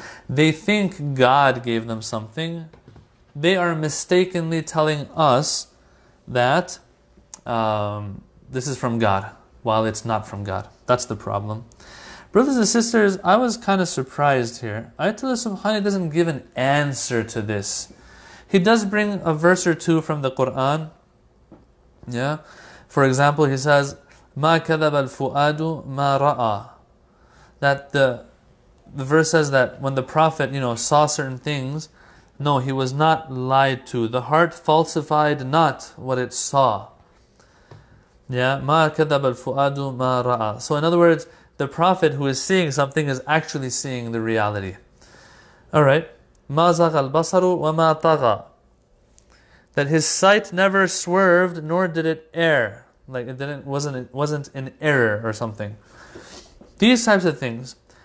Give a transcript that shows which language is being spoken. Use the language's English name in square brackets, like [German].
[English] They think God gave them something. They are mistakenly telling us that this is from God, while it's not from God. That's the problem. Brothers and sisters, I was kind of surprised here. Ayatollah Subhani doesn't give an answer to this. He does bring a verse or two from the Quran. Yeah. For example, he says, [Arabic] مَا كَذَبَ الْفُؤَادُ مَا رَأَى. [English] That the verse says that when the Prophet, you know, saw certain things, no, he was not lied to. The heart falsified not what it saw. Yeah, [Arabic] مَا كَذَبَ الْفُؤَادُ مَا رَأَى. [English] So in other words, the Prophet who is seeing something is actually seeing the reality. Alright. [Arabic] مَا زَغَ الْبَصَرُ وَمَا طَغَى. [English] That his sight never swerved, nor did it err. Like it wasn't an error or something. These types of things.